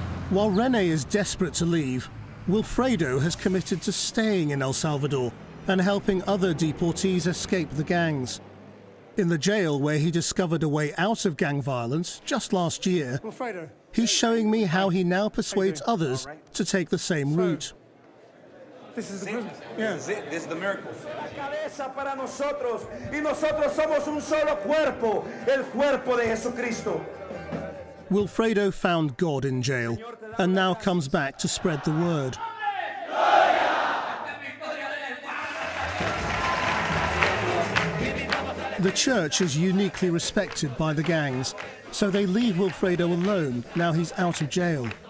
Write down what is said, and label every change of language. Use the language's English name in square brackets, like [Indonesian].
[English] While René is desperate to leave, Wilfredo has committed to staying in El Salvador and helping other deportees escape the gangs. In the jail where he discovered a way out of gang violence just last year, Wilfredo. He's showing me how he now persuades others to take the same route. This is the prison. Yeah. This is the miracle. [Spanish] La cabeza para nosotros y nosotros somos un solo cuerpo, el cuerpo de Jesucristo. [English] Wilfredo found God in jail and now comes back to spread the word. The church is uniquely respected by the gangs, so they leave Wilfredo alone now he's out of jail.